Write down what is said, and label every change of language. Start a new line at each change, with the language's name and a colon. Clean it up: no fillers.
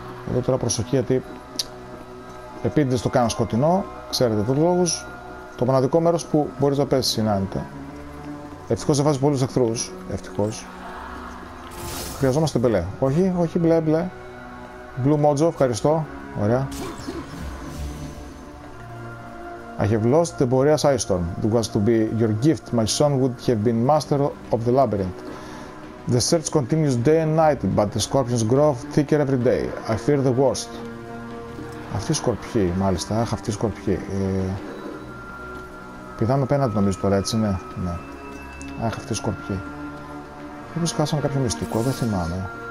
Greek: Εδώ τώρα προσοχή, γιατί επίτηδες το κάνω σκοτεινό, ξέρετε τους λόγους. Το μοναδικό μέρος που μπορείς να πέσεις συνάντητε. Ευτυχώς δεν βάζει πολλούς εχθρούς, ευτυχώς. Χρειαζόμαστε μπλε. Όχι, όχι, μπλε, μπλε. Blue Mojo, ευχαριστώ. Ωραία.
English: I have lost the Boreas Ice Storm. It was to be your gift. My son would have been master of the labyrinth. The search continues day and night, but the scorpions grow thicker every day. I fear the worst.
Greek: Αυτοί οι σκορπιοί, μάλιστα. Αχ, αυτοί οι σκορπιοί. Πηδάμε απέναντι, νομίζω τώρα, έτσι, ναι. Ναι. Αχ, αυτοί οι σκορπιοί. Μήπως χάσαμε κάποιο μυστικό, δεν θυμάμαι.